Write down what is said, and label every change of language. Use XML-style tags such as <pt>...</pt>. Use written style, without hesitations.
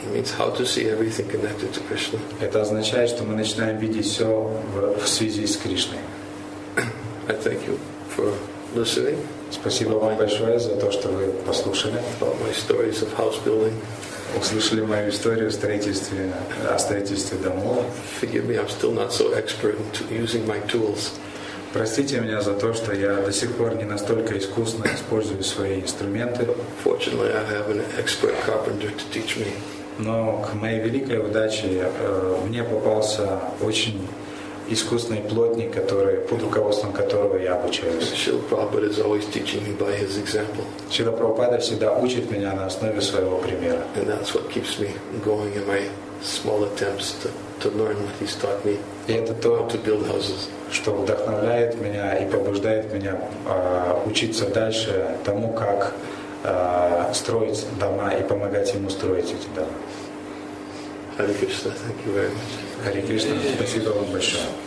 <en>It means how to see everything connected to Krishna.</en> <ru>Это означает, что мы начинаем видеть все в связи с Кришной.</ru> <en>I thank you for listening.</en> <ru>Спасибо вам большое за то, что вы послушали.</ru> <en>About my stories of house building.</en> <ru>Услышали мою историю о строительстве домов.</ru> <en>Forgive me, I'm still not so expert in using my tools.</en> <ru>Простите меня за то, что я до сих пор не настолько искусно использую свои инструменты.</ru> <en>Fortunately, I have an expert carpenter to teach me.</en> <ru>Но к моей великой удаче мне попался очень искусный плотник, который под руководством которого я обучаюсь.</ru> <en>Шрила Прабхупада is always teaching me by his example.</en> <ru>Шрила Прабхупада всегда учит меня на основе своего примера.</ru> <en>And that's what keeps me going in my small attempts to learn what he's taught me.</en> <ru>И это то,</ru> <en>to build houses.</en> <ru>Что вдохновляет меня и побуждает меня учиться дальше тому, как строить дома и помогать ему строить эти дома.</ru> <en>Hare Krishna, thank you very much.</en> <ru>Hare Krishna, спасибо вам большое.</ru>